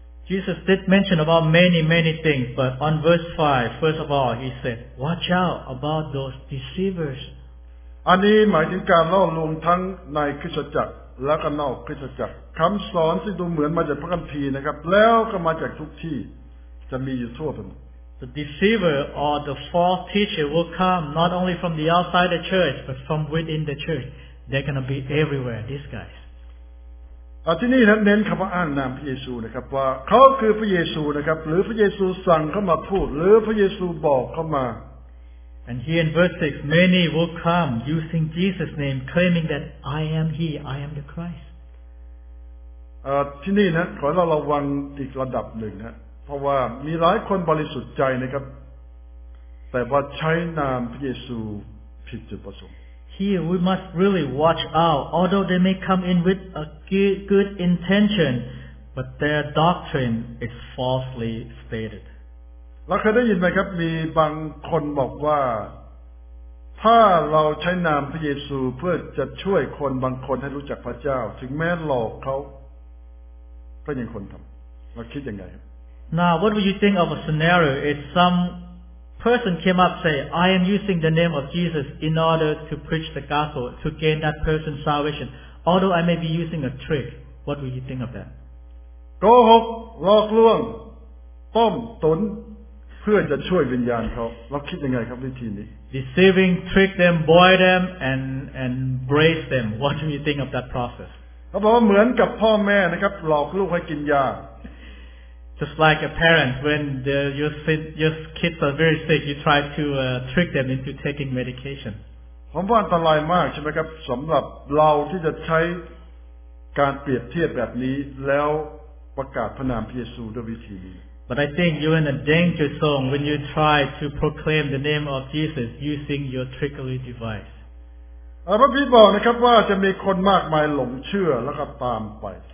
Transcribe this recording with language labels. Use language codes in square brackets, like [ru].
[en] Jesus did mention about many many things but on verse 5 first of all he said watch out about those deceivers [th] อันนี้หมายถึงการล่อลวงทั้งในคริสตจักรและก็นอกคริสตจักรคำสอนที่ดูเหมือนมาจากพระคัมภีร์นะครับแล้วก็มาจากทุกที่จะมีอยู่ทั่วไป [en] The deceiver or the false teacher will come not only from the outside the church, but from within the church. They're going to be everywhere, these guys. [th] ที่นี่นั้นเน้นคำว่าอ้างนามพระเยซูนะครับว่าเขาคือพระเยซูนะครับหรือพระเยซูสั่งเขามาพูดหรือพระเยซูบอกเขามา [en] And here in verse 6, many will come using Jesus' name, claiming that I am He, I am the Christ. [th] ที่นี่นะขอให้เราระวังอีกระดับหนึ่งนะเพราะว่ามีหลายคนบริสุทธิ์ใจนะครับแต่ว่าใช้นามพระเยซูผิดจุดประสงค์ [en] Here we must really watch out although they may come in with a good intention but their doctrine is falsely stated [th] เราเคยได้ยินไหมครับมีบางคนบอกว่าถ้าเราใช้นามพระเยซูเพื่อจะช่วยคนบางคนให้รู้จักพระเจ้าถึงแม้หลอกเขาก็ยังคนทำเราคิดยังไง [en] Now, what would you think of a scenario if some person came up say, I am using the name of Jesus in order to preach the gospel to gain that person's salvation, although I may be using a trick. What would you think of that? [th] โกหก หลอกลวง ต้มตุ๋น เพื่อจะช่วยวิญญาณเขา เราคิดยังไงครับวิธีนี้ [en] Deceiving, trick them, boy them, and brace them. What do you think of that process? [th] เขาบอกว่าเหมือนกับพ่อแม่นะครับ หลอกลูกให้กินยา [en] Just like a parent, when your kids are very sick, you try to trick them into taking medication. [th] ผมว่าอันตรายมากใช่ไหมครับสำหรับเราที่จะใช้การเปรียบเทียบแบบนี้แล้วประกาศพระนามพระเยซูด้วยวิธีนี้ [en] But I think you're in a danger zone when you try to proclaim the name of Jesus using your trickery device. [th] พระบิดาบอกนะครับว่าจะมีคนมากมายหลงเชื่อแล้วก็ตามไป